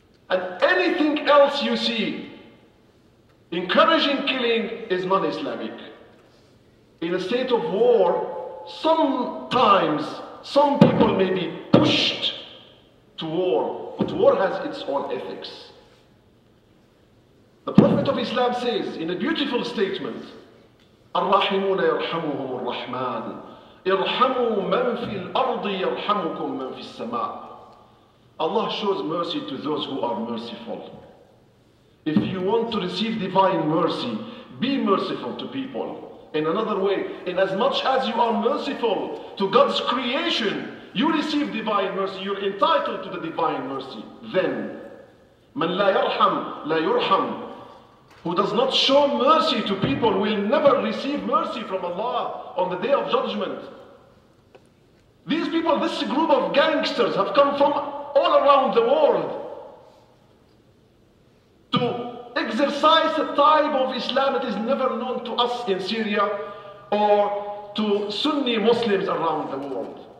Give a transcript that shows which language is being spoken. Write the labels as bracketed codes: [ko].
[en] And anything else you see, encouraging killing is non-Islamic. In a state of war, sometimes some people may be pushed to war, but war has its own ethics. The Prophet of Islam says in a beautiful statement, [ar] أَرْرَحِمُونَ يَرْحَمُهُمُ الرَّحْمَانِ إِرْحَمُوا مَنْ فِي الْأَرْضِ يَرْحَمُكُمْ مَنْ فِي السَّمَاءِ. [en] Allah shows mercy to those who are merciful. If you want to receive divine mercy, be merciful to people. In another way, in as much as you are merciful to God's creation, you receive divine mercy, you're entitled to the divine mercy. Then, [ar] مَنْ لَا يَرْحَمْ لَا يُرْحَمْ. [en] Who does not show mercy to people will never receive mercy from Allah on the Day of Judgment. These people, this group of gangsters have come from all around the world to exercise a type of Islam that is never known to us in Syria or to Sunni Muslims around the world.